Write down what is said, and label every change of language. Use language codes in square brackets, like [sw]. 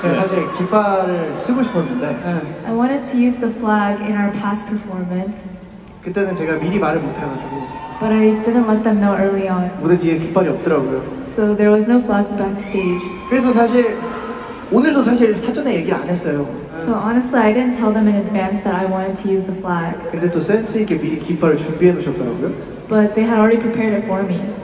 [en] I wanted to use the flag in our past performance. [ko] 그때는 제가 미리 말을 못해가지고. [en] But I didn't let them know early on. [ko] 무대 뒤에 깃발이 없더라고요. [en] So there was no flag backstage. [ko] 그래서 사실 오늘도 사실 사전에 얘기를 안 했어요. [en] So honestly, I didn't tell them in advance that I wanted to use the flag. [ko] 근데 또 센스 있게 미리 깃발을 준비해 놓으셨더라고요. [en] But they had already prepared it for me.